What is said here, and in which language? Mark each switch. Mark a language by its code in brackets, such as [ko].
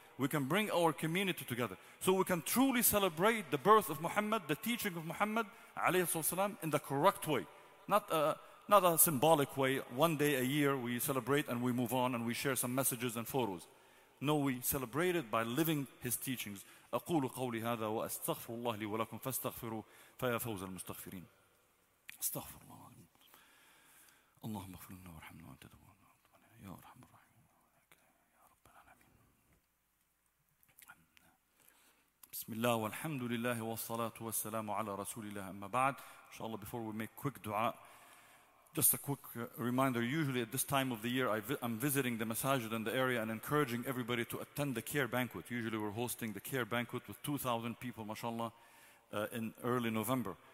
[en] We can bring our community together. So we can truly celebrate the birth of Muhammad, the teaching of Muhammad alayhi salam, in the correct way. Not a symbolic way. One day a year we celebrate and we move on and we share some messages and photos. No, we celebrate it by living his teachings. [ar] أقول قولي هذا وأستغفر الله لي ولكم فاستغفروا فيا فوز المستغفرين. استغفر الله العظيم. اللهم اغفر لنا وارحمنا وأنت الغفور الرحيم يا أرحم الراحمين يا رب العالمين. بسم الله والحمد لله والصلاة والسلام على رسول الله. أما بعد, إن شاء الله, [en] before we make quick dua, just a quick reminder, usually at this time of the year, I'm visiting the masajid in the area and encouraging everybody to attend the care banquet. Usually we're hosting the care banquet with 2,000 people, mashallah, in early November.